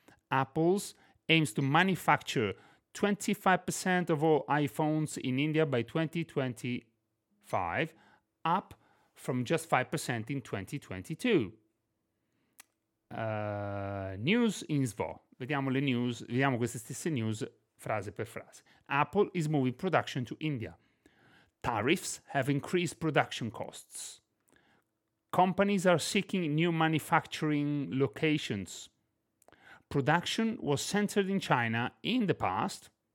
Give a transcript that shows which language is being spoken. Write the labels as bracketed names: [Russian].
[English] Apple's aims to manufacture 25% of all iPhones in India by 2025, up from just 5% in 2022. News in SVO. [Italian] Vediamo queste stesse news frase per frase. [English] Apple is moving production to India. Tariffs have increased production costs. Companies are seeking new manufacturing locations. Production was centered in China in the past.